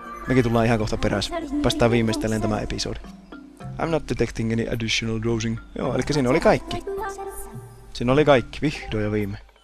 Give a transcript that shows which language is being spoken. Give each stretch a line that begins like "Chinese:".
Finnish: Mekin tullaan ihan kohta perässä. Päästään viimeistelleen tämä episodi.
English: I'm not detecting any additional dosing.
Finnish: Joo, elikkä siinä oli kaikki. Siinä oli kaikki, vihdoin ja viime.